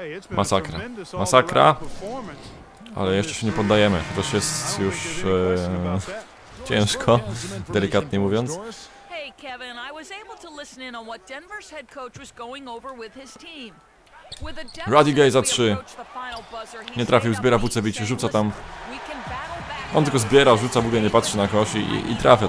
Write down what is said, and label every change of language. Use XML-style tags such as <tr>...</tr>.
<pl>Masakra. Masakra. Ale jeszcze się nie poddajemy. To jest już... ciężko, delikatnie mówiąc.</pl> <en>Hey Kevin, I was able to listen in on what Denver's head coach was going over with his team.</en> <pl>Rudy Gay za 3. Nie trafił, zbiera Vucevic, rzuca tam. On tylko zbiera, rzuca, w ogóle nie patrzy na kosz i trafia.</pl>